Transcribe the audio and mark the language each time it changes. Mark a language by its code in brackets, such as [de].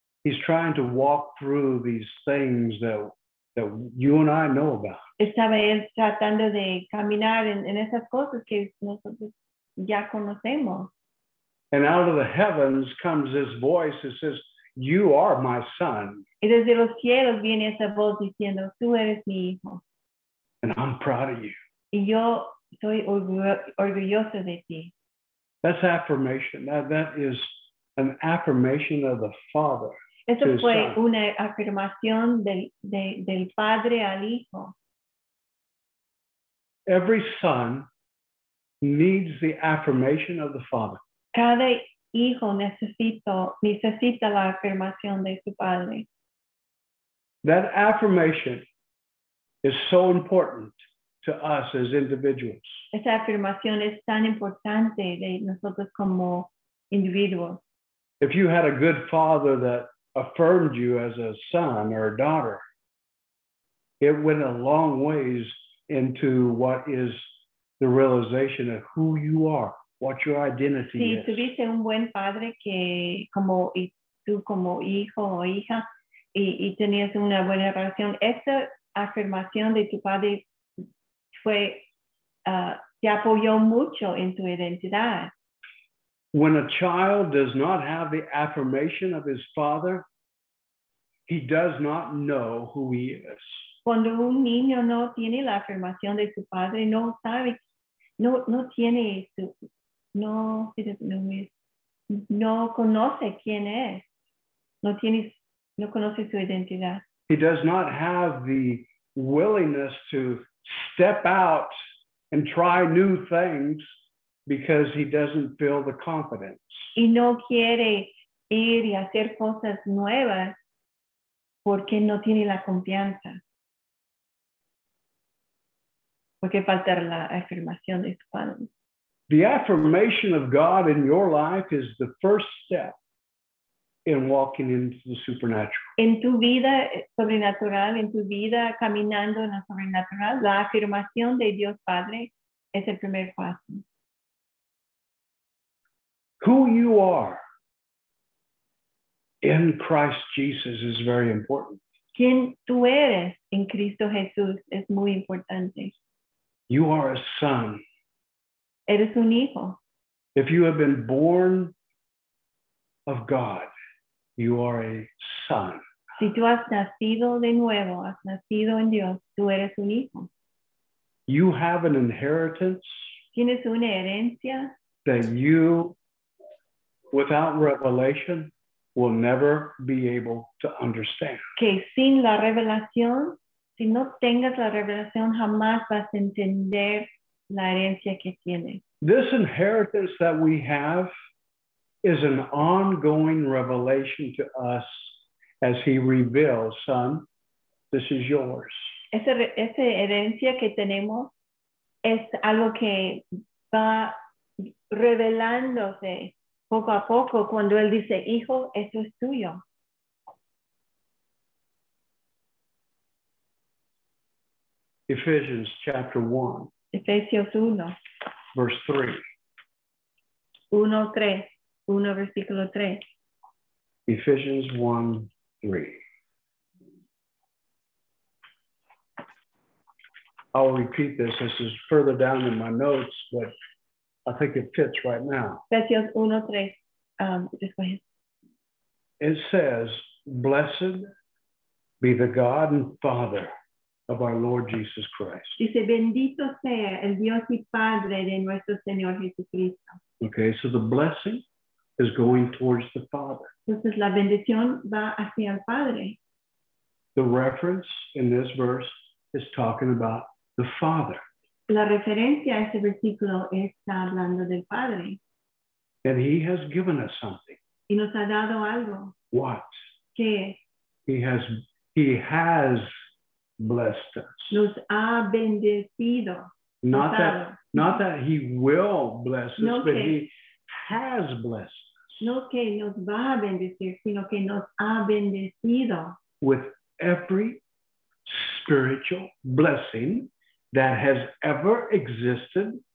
[en] He's trying to walk through these things that you and I know about. [es] Estaba él tratando de caminar en esas cosas que nosotros ya conocemos. [en] And out of the heavens comes this voice that says, you are my son. [es] Y desde los cielos viene esa voz diciendo, tú eres mi hijo. [en] And I'm proud of you. [es] Y yo soy orgulloso de ti. [en] That's affirmation. That is an affirmation of the Father. [es] Eso fue una afirmación del Padre al Hijo. [en] Every son needs the affirmation of the Father. [es] Cada hijo necesita la afirmación de su padre. [en] That affirmation is so important to us as individuals. [es] Esa afirmación es tan importante de nosotros como individuos. [en] If you had a good father that affirmed you as a son or a daughter, it went a long ways into what is the realization of who you are. What your identity [es] si [en] is. [es] Tuviste un buen padre que como y tú como hijo o hija y tenías una buena relación, esa afirmación de tu padre fue te apoyó mucho en tu identidad. [en] When a child does not have the affirmation of his father, he does not know who he is. [es] Cuando un niño no tiene la afirmación de su padre, no sabe, no conoce quién es. No conoce su identidad. [en] He does not have the willingness to step out and try new things because he doesn't feel the confidence. [es] Y no quiere ir y hacer cosas nuevas porque no tiene la confianza. Porque falta la afirmación de su padre. [en] The affirmation of God in your life is the first step in walking into the supernatural. [es] En tu vida sobrenatural, en tu vida caminando en la sobrenatural, la afirmación de Dios Padre es el primer paso. [en] Who you are in Christ Jesus is very important. [es] Quien tú eres en Cristo Jesús es muy importante. [en] You are a son. [es] Eres un hijo. [en] If you have been born of God, you are a son. [es] Si tú has nacido de nuevo, has nacido en Dios, tú eres un hijo. [en] You have an inheritance. [es] Tienes una herencia. [en] That you, without revelation, will never be able to understand. [es] Que sin la revelación, si no tengas la revelación, jamás vas a entender la herencia que tienes. [en] This inheritance that we have is an ongoing revelation to us as he reveals, son, this is yours. [es] Esa herencia que tenemos es algo que va revelándose poco a poco cuando él dice, hijo, esto es tuyo. [en] Ephesians chapter 1. [es] Efesios 1. [en] Verse 3. [es] 1, 3. 1, versículo 3. [en] Ephesians 1, 3. I'll repeat this. This is further down in my notes, but I think it fits right now. [es] Efesios 1, 3. [en] It says, blessed be the God and Father of our Lord Jesus Christ. [es] Dice, bendito sea el Dios y Padre de nuestro Señor Jesucristo. [en] Okay, so the blessing is going towards the Father. [es] Entonces la bendición va hacia el Padre. [en] The reference in this verse is talking about the Father. [es] La referencia a este versículo está hablando del Padre. [en] And he has given us something. [es] Y nos ha dado algo. [en] What? [es] ¿Qué? [en] He has blessed us. [es] Nos ha bendecido. [en] Not that he will bless us, but he has blessed us. [es] No que nos va a bendecir, sino que nos ha bendecido. [en] With every spiritual blessing that has ever existed.